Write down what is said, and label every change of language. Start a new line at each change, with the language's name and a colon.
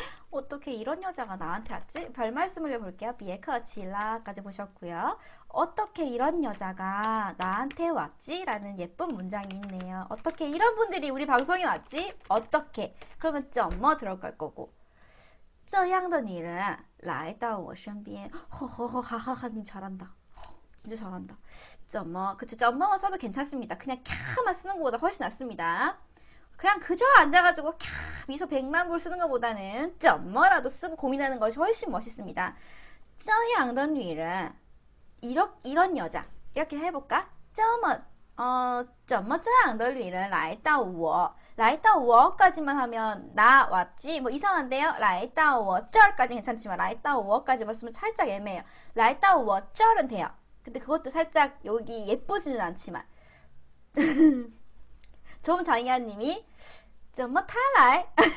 Korean: 어 어떻게 이런 여자가 나한테 왔지? 별 말씀을요 볼게요. 비에커질라까지 보셨고요. 어떻게 이런 여자가 나한테 왔지? 라는 예쁜 문장이 있네요. 어떻게 이런 분들이 우리 방송에 왔지? 어떻게? 그러면 점머 들어갈 거고.
Chinese: 这样的女人来到我身边.
Korean: 허허허하하하님 잘한다. 진짜 잘한다. 점머. 그쵸, 점머만 써도 괜찮습니다. 그냥 캬만 쓰는 것보다 훨씬 낫습니다. 그냥 그저 앉아가지고 캬 미소 백만 볼 쓰는 것보다는 점머라도 쓰고 고민하는 것이 훨씬 멋있습니다.
Chinese: 这样的女人.
Korean: 이런 여자. 이렇게 해볼까? 점머.
Chinese: 怎么这样的女人来到我? 来到我
Korean: 까지만 하면 나 왔지? 뭐 이상한데요?
Chinese: 来到我这儿
Korean: 까지는 괜찮지만
Chinese: 来到我
Korean: 까지만 쓰면 살짝 애매해요.
Chinese: 来到我这儿
Korean: 은 돼요. 근데 그것도 살짝 여기 예쁘지는 않지만 좀 장이야님이
Chinese: 怎么他来?